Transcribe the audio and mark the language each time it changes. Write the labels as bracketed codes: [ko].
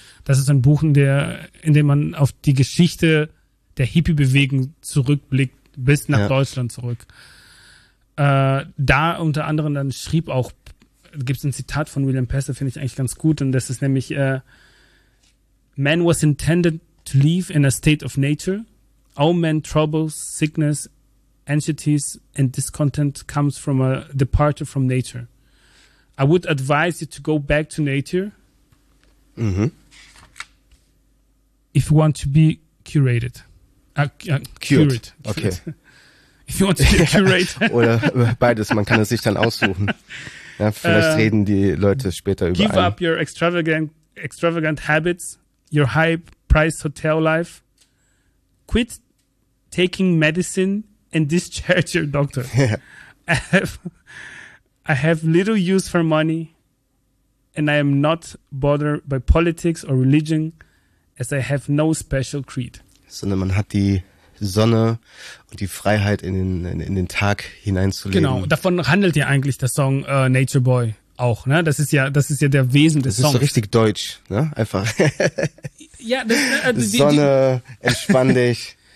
[de] Das ist ein Buch, in dem man auf die Geschichte der Hippie-Bewegung zurückblickt, bis nach Deutschland zurück. Da unter anderem dann schrieb auch, gibt es ein Zitat von William Pester, finde ich eigentlich ganz gut, und das ist nämlich [en] Man was intended to live in a state of nature. All men troubles, sickness, anxieties and discontent comes from a departure from nature. I would advise you to go back to nature if you want to be curated. Cured. Okay. If you want to be curated. [de] Oder beides, man kann es sich dann aussuchen. Ja, vielleicht reden die Leute später über [en] Give up your extravagant habits, your high-priced hotel life. Quit taking medicine and discharge your doctor. Yeah. I have little use for money and I am not bothered by politics or religion as I have no special creed. [de] Sondern man hat die Sonne und die Freiheit in den Tag hineinzulegen. Genau, davon handelt ja eigentlich der Song Nature Boy auch, ne? Das ist ja der Wesen des Songs. Das ist so richtig deutsch, ne? Einfach. Ja, Sonne, entspann dich.